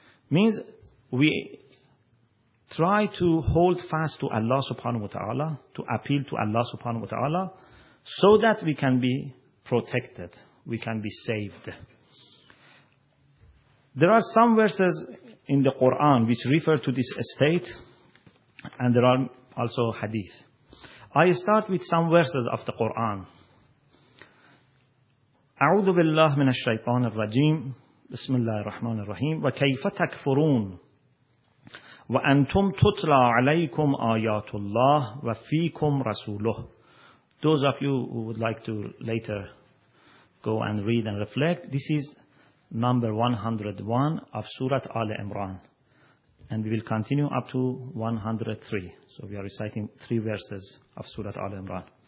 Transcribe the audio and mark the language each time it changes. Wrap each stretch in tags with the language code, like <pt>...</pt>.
<en>Means we try to hold fast to Allah subhanahu wa ta'ala, to appeal to Allah subhanahu wa ta'ala, so that we can be protected, we can be saved. There are some verses in the Quran which refer to this state, and there are also hadith. I start with some verses of the Quran.</en> <ar>أعوذ بالله من الشيطان الرجيم بسم الله الرحمن الرحيم وكيف تكفرون وأنتم تتلى عليكم آيات الله وفيكم رسوله.</ar> <en>Those of you who would like to later go and read and reflect, this is number 101 of Surah Ali Imran. And we will continue up to 103. So we are reciting three verses of Surah Ali Imran.</en>